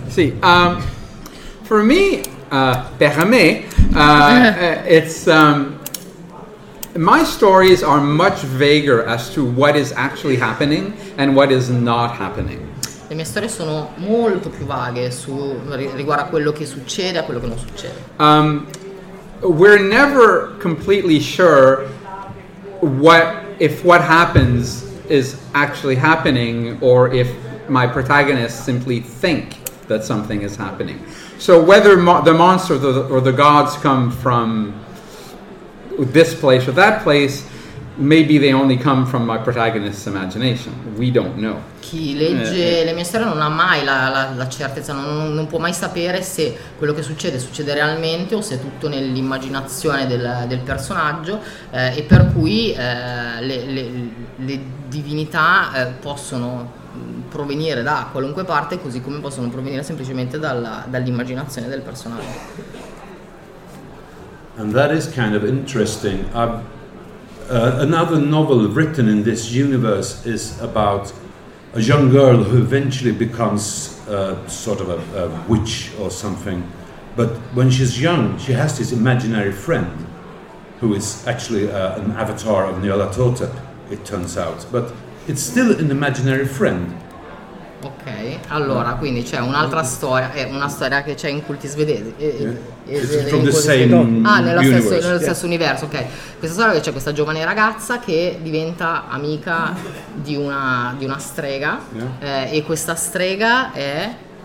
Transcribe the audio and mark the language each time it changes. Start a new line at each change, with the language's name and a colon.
English: See, for me,
Italian: per me,
English: it's my stories are much vaguer as to what is actually happening and what is not happening.
Italian: Le mie storie sono molto più vaghe su riguardo a quello che succede e a quello che non succede.
English: We're never completely sure what happens is actually happening, or if my protagonists simply think that something is happening. So whether the monster or the gods come from this place or that place, maybe they only come from my protagonist's imagination. We don't know.
Italian: Chi legge le mie storie non ha mai la certezza, non può mai sapere se quello che succede realmente o se è tutto nell'immaginazione del personaggio, e per cui le divinità possono provenire da qualunque parte, così come possono provenire semplicemente dall'immaginazione del personaggio.
English: And that is kind of interesting. Another novel written in this universe is about a young girl who eventually becomes sort of a witch or something. But when she's young, she has this imaginary friend who is actually an avatar of Nyarlathotep, it turns out. But it's still an imaginary friend.
Italian: Ok, allora, quindi c'è un'altra storia, è una storia che c'è in culti svedesi. Nello stesso universo, ok. Questa storia che c'è questa giovane ragazza che diventa amica di una strega, e questa strega è...